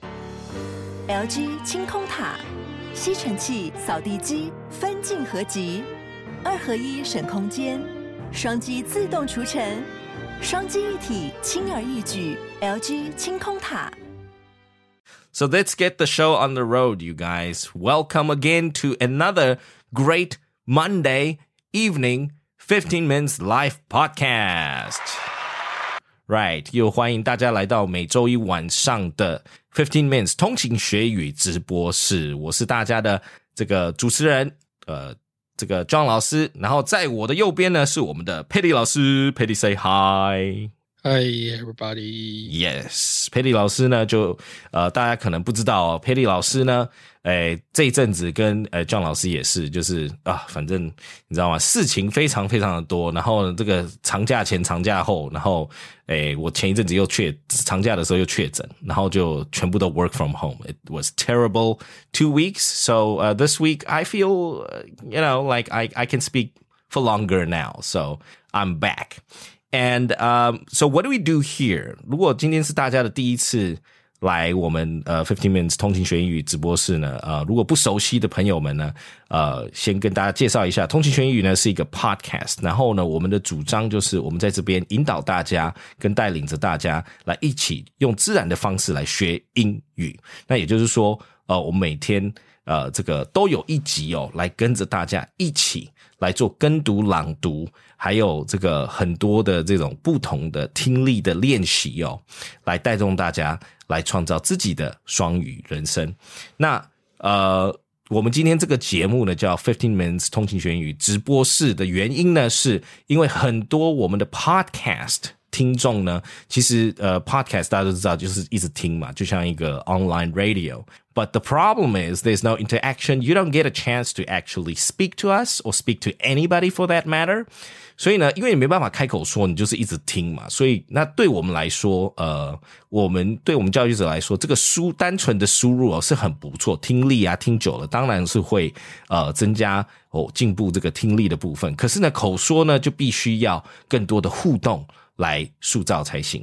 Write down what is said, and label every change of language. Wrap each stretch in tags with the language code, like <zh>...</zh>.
<zh>LG 清空塔，吸尘器、扫地机分镜合集，二合一省空间，双击自动除尘，双击一体轻而易举。 LG 清空塔。</zh> <en>So let's get the show on the road, you guys. Welcome again to another great Monday evening 15 Minutes Life podcast.</en> <zh>Right, 又欢迎大家来到每周一晚上的15 Minutes 通勤学语直播室。我是大家的这个主持人，这个 John 老师。然后在我的右边呢，是我们的 Patty 老师。</zh> <en>Patty say hi. Hi everybody.</en> <zh>Yes, Patty 老师呢就大家可能不知道哦， Patty 老师呢这一阵子跟John 老师也是，就是啊，反正你知道吗，事情非常非常的多，然后这个长假前长假后，然后我前一阵子又长假的时候又确诊，然后就全部都</zh> <en>work from home. It was terrible 2 weeks. So, this week I feel, you know, like I can speak for longer now. So I'm back. And, so what do we do here?</en> <zh>如果今天是大家的第一次来我们15 Minutes 通勤学英语直播室呢，如果不熟悉的朋友们呢，先跟大家介绍一下，通勤学英语呢是一个 podcast， 然后呢，我们的主张就是我们在这边引导大家跟带领着大家来一起用自然的方式来学英语。那也就是说，我们每天这个都有一集哦，来跟着大家一起来做跟读朗读，还有这个很多的这种不同的听力的练习哦，来带动大家来创造自己的双语人生。那我们今天这个节目呢叫 15 Minutes 通勤学英语直播室的原因呢，是因为很多我们的 podcast听众呢，其实podcast 大家都知道就是一直听嘛，就像一个 online radio.</zh> <en>But the problem is there's no interaction. You don't get a chance to actually speak to us or speak to anybody for that matter.</en> <zh>所以呢，因为你没办法开口说，你就是一直听嘛。所以那对我们来说，对我们教育者来说，这个单纯的输入哦是很不错，听力啊，听久了当然是会增加哦进步这个听力的部分。可是呢，口说呢就必须要更多的互动来塑造才行。</zh>